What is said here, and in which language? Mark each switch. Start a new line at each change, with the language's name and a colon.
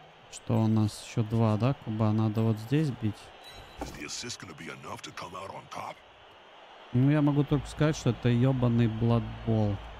Russian: Что у нас еще два, да, куба, надо вот здесь бить.
English: Is the assist gonna be enough to come out on top?
Russian: Ну, я могу только сказать, что это ёбаный Blood Bowl.